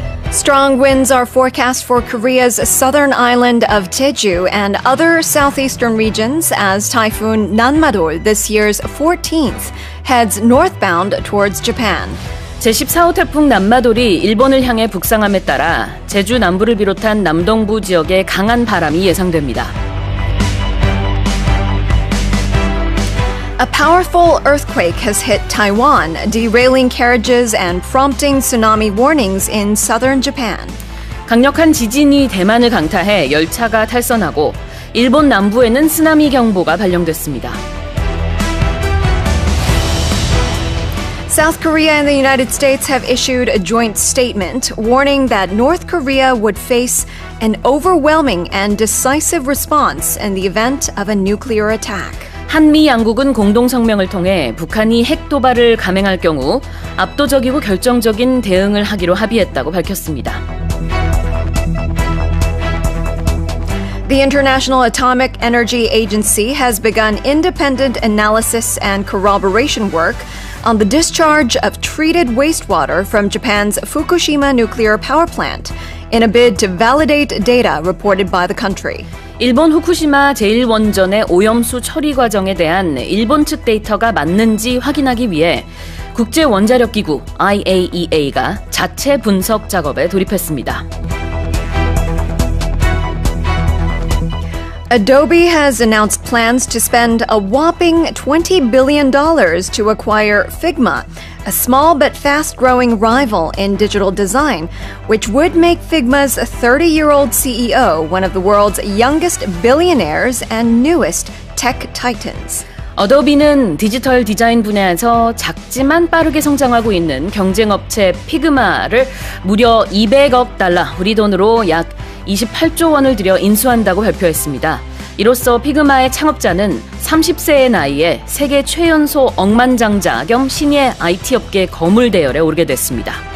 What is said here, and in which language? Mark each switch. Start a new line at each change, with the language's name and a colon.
English: Strong winds are forecast for Korea's southern island of Jeju and other southeastern regions as typhoon Nanmadol, this year's 14th, heads northbound towards Japan.
Korean: 제14호 태풍 난마돌이 일본을 향해 북상함에 따라 제주 남부를 비롯한 남동부 지역에 강한 바람이 예상됩니다.
English: A powerful earthquake has hit Taiwan, derailing carriages and prompting tsunami warnings in southern Japan.
Korean: 강력한 지진이 대만을 강타해 열차가 탈선하고 일본 남부에는 쓰나미 경보가 발령됐습니다.
English: South Korea and the United States have issued a joint statement warning that North Korea would face an overwhelming and decisive response in the event of a nuclear attack.
Korean: 한미 양국은 공동성명을 통해 북한이 핵 도발을 감행할 경우 압도적이고 결정적인 대응을 하기로 합의했다고 밝혔습니다.
English: The International Atomic Energy Agency has begun independent analysis and corroboration work on the discharge of treated wastewater from Japan's Fukushima nuclear power plant in a bid to validate data reported by the country.
Korean: 일본 후쿠시마 제1원전의 오염수 처리 과정에 대한 일본 측 데이터가 맞는지 확인하기 위해 국제원자력기구 IAEA가 자체 분석 작업에 돌입했습니다.
English: Adobe has announced plans to spend a whopping $20 billion to acquire Figma, a small but fast-growing rival in digital design, which would make Figma's 30-year-old CEO one of the world's youngest billionaires and newest tech titans.
Korean: Adobe는 디지털 디자인 분야에서 작지만 빠르게 성장하고 있는 경쟁 업체 Figma를 무려 200억 달러, 우리 돈으로 약 28조 원을 들여 인수한다고 발표했습니다. 이로써 피그마의 창업자는 30세의 나이에 세계 최연소 억만장자 겸 신예 IT업계 거물 대열에 오르게 됐습니다.